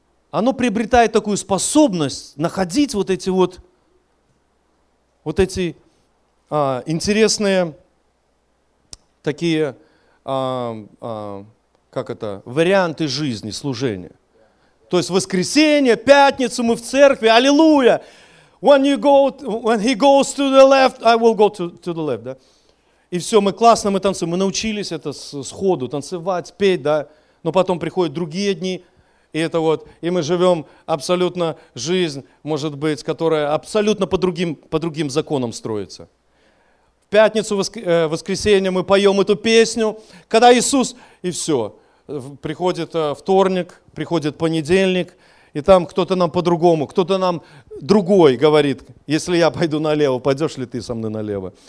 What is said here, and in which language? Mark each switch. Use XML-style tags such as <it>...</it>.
<ru>Оно приобретает такую способность находить вот эти интересные такие, как это, варианты жизни, служения. То есть воскресенье, пятницу мы в церкви, аллилуйя!</ru> <en>When he goes to the left, I will go to the left.</en> <ru>Да? И все, мы классно, мы танцуем. Мы научились это сходу, танцевать, петь, да. Но потом приходят другие дни. И это вот, и мы живем абсолютно жизнь, может быть, которая абсолютно по другим законам строится. В пятницу, воскресенье мы поем эту песню, когда Иисус, и все, приходит вторник, приходит понедельник, и там кто-то нам по-другому, кто-то нам другой говорит, если я пойду налево, пойдешь ли ты со мной налево?</ru>